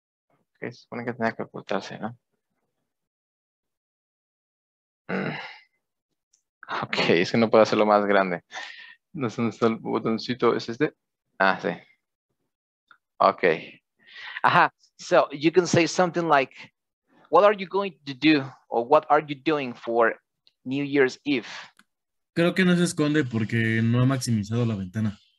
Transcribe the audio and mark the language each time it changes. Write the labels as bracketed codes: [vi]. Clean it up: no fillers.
[es] Ok, se supone que tenía que ocultarse, ¿no? Ok, es que no puedo hacerlo más grande. No sé dónde está el botoncito, ¿es este? Ah, sí. Ok. [en] Aha, so you can say something like, what are you going to do or what are you doing for New Year's Eve? [es] Creo que no se esconde porque no ha maximizado la ventana.